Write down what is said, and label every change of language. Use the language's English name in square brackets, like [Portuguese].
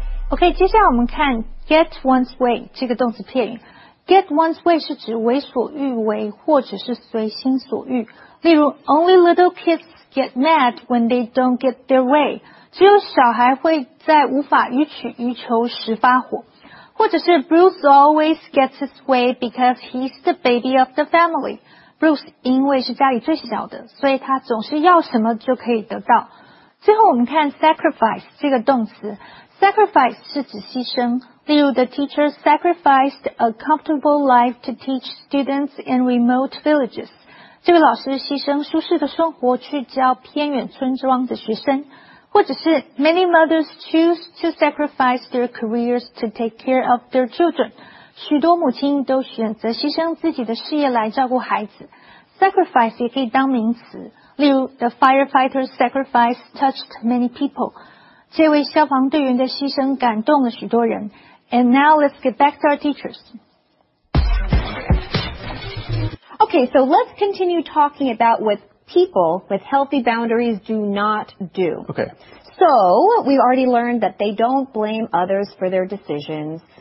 [Chinese] OK, 接下来我们看 get one's way 这个动词片语。 get one's way 是指为所欲为或者是随心所欲。例如 [English] only little kids get mad when they don't get their way. [Chinese] 只有小孩会在无法予取予求时发火。或者是 [English] Bruce always gets his way because he's the baby of the family. [Chinese] Bruce 因为是家里最小的，所以他总是要什么就可以得到。最后我们看 sacrifice 这个动词。Sacrifice 是指牺牲。例如 [English] the teacher sacrificed a comfortable life to teach students in remote villages. [Chinese] 这个老师牺牲舒适的生活去教偏远村庄的学生，或者是 [English] many mothers choose to sacrifice their careers to take care of their children. [Chinese] 许多母亲都选择牺牲自己的事业来照顾孩子。 [English] Sacrifice [Chinese] 也可以当名词，例如 [English] the firefighter's sacrifice touched many people. [Chinese] 这位消防队员的牺牲感动了许多人。 [English] And now let's get back to our teachers. Okay, so let's continue talking about what people with healthy boundaries do not do. Okay. So, we already learned that they don't blame others for their decisions.